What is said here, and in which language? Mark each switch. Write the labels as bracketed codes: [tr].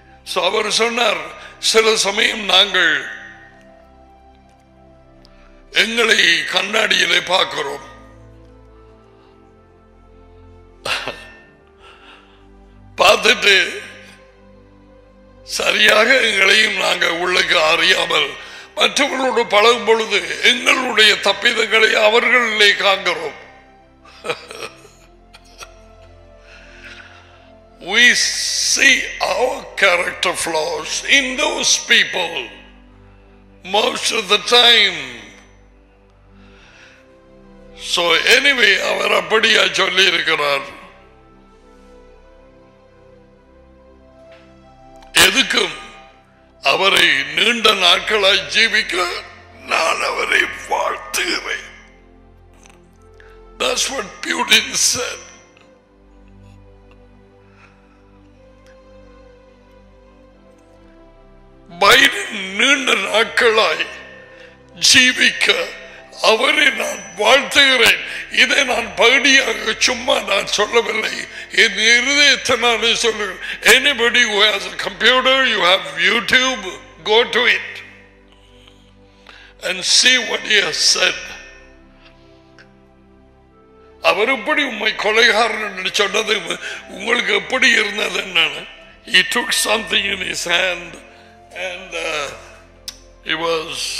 [ta] So அவர் சொன்னார், சில சமயம் நாங்கள் எங்களை கண்ணாடியிலே பார்க்கிறோம், பார்த்துட்டு சரியாக எங்களையும் நாங்கள் உள்ளுக்கு அறியாமல் மற்றவர்களோடு பழகும் பொழுது எங்களுடைய தப்பிதங்களை அவர்களிலே காண்கிறோம். [en] We see our character flaws in those people most of the time. So anyway, [ta] அவர் அப்படியா சொல்லி இருக்கிறார். எதுக்கும் அவரை நீண்ட நாட்களாய் ஜீவிக்க நான் அவரை வாழ்த்துகிறேன். [en] That's what Putin said. [ta] Biden நீண்ட நாட்களாய் ஜீவிக்க அவரை நான் வாழ்த்துகிறேன். இதை நான் பகுதியாக சும்மா நான் சொல்லவில்லை, என் இருதயத்தை நான் சொல்லுவேன். [en] Anybody who has a computer, you have YouTube, go to it and see what he has said. [ta] அவர் எப்படி உண்மை கொலைகாரன் என்று சொன்னது உங்களுக்கு எப்படி இருந்தது என்ன? [en] He took something in his hand and he was